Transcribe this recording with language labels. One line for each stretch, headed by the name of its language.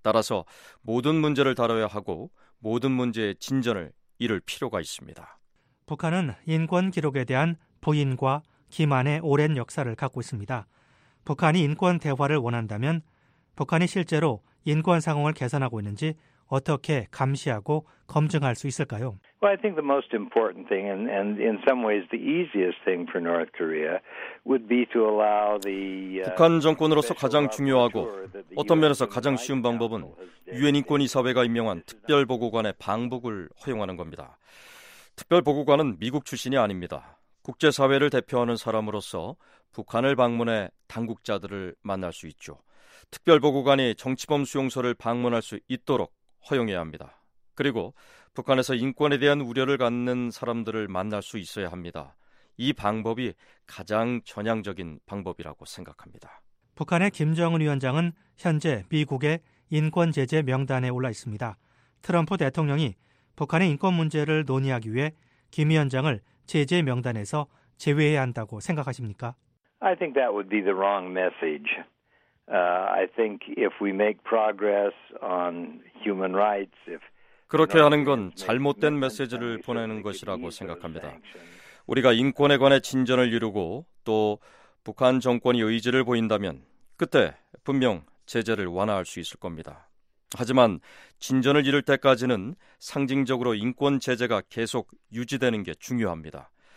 Korean: 따라서 모든 문제를 다뤄야 하고 모든 문제의 진전을 이룰 필요가 있습니다. 북한은 인권 기록에 대한 부인과 기만의 오랜 역사를 갖고 있습니다. 북한이 인권 대화를 원한다면 북한이 실제로 인권 상황을 개선하고 있는지 어떻게 감시하고 검증할 수 있을까요?
English: Well, I think the most important thing and in some ways the easiest thing for North Korea would be to allow the
Korean: 북한 정권으로서 가장 중요하고 어떤 면에서 가장 쉬운 방법은 유엔 인권 이사회가 임명한 특별 보고관의 방북을 허용하는 겁니다. 특별 보고관은 미국 출신이 아닙니다. 국제 사회를 대표하는 사람으로서 북한을 방문해 당국자들을 만날 수 있죠. 특별 보고관이 정치범 수용소를 방문할 수 있도록 허용해야 합니다. 그리고 북한에서 인권에 대한 우려를 갖는 사람들을 만날 수 있어야 합니다. 이 방법이 가장 전향적인 방법이라고 생각합니다. 북한의 김정은 위원장은 현재 미국의 인권 제재 명단에 올라 있습니다. 트럼프 대통령이 북한의 인권 문제를 논의하기 위해 김 위원장을 제재 명단에서 제외해야 한다고 생각하십니까?
English: I think that would be the wrong message. I think if we make progress on human rights, if
Korean: 그렇게 하는 건 잘못된 메시지를 보내는 것이라고 생각합니다. 우리가 인권에 관해 진전을 이루고 또 북한 정권이 의지를 보인다면 그때 분명 제재를 완화할 수 있을 겁니다. 하지만 진전을 이룰 때까지는 상징적으로 인권 제재가 계속 유지되는 게 중요합니다.